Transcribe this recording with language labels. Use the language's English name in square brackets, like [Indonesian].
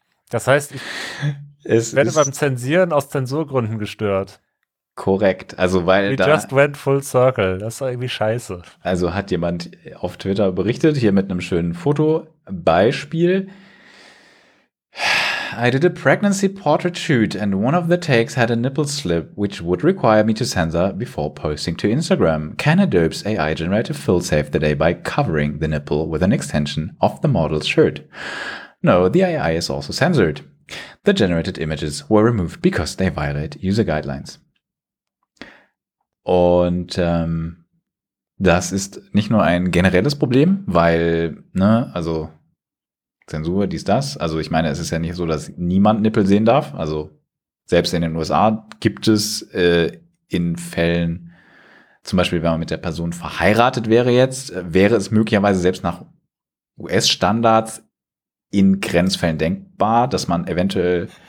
[German] Das heißt, ich werde beim Zensieren aus Zensurgründen gestört. Korrekt, also weil [English] we da... We just went full circle, [German] das ist irgendwie scheiße. Also hat jemand auf Twitter berichtet, hier mit einem schönen Foto, Beispiel. [English] I did a pregnancy portrait shoot and one of the takes had a nipple slip, which would require me to censor before posting to Instagram. Can Adobe's AI generative fill save the day by covering the nipple with an extension of the model's shirt? No, the AI is also censored. The generated images were removed because they violate user guidelines. [German] Und das ist nicht nur ein generelles Problem, weil, ne, also Zensur, dies, das. Also ich meine, es ist ja nicht so, dass niemand Nippel sehen darf. Also selbst in den USA gibt es in Fällen, zum Beispiel, wenn man mit der Person verheiratet wäre jetzt, wäre es möglicherweise selbst nach US-Standards in Grenzfällen denkbar, dass man eventuell...